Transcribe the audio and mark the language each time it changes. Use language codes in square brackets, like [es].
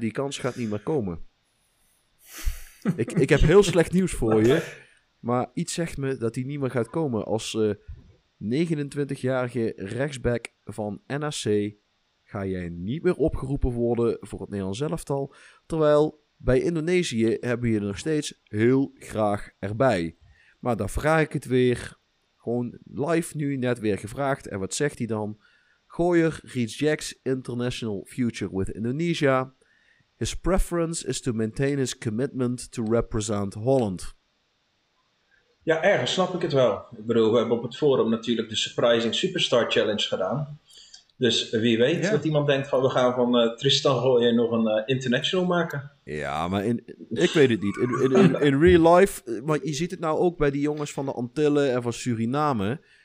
[nl] die kans gaat niet meer komen. Ik heb heel slecht nieuws voor je, maar iets zegt me dat hij niet meer gaat komen als 29-jarige rechtsback van NAC ga jij niet meer opgeroepen worden voor het Nederlands elftal, terwijl bij Indonesië hebben we je er nog steeds heel graag erbij. Maar dan vraag ik het weer, gewoon live nu net weer gevraagd en wat zegt hij dan? [en] Gooyer rejects international future with Indonesia. His preference is to maintain his commitment to represent Holland. [nl] Ja, ergens snap ik het wel. Ik bedoel, we hebben op het forum natuurlijk de Surprising Superstar Challenge gedaan. Dus wie weet dat iemand denkt van we gaan van Tristan Gooyer nog een international maken. Ja, maar ik weet het niet. [en] In real life, [nl] maar je ziet het nou ook bij die jongens van de Antillen en van Suriname.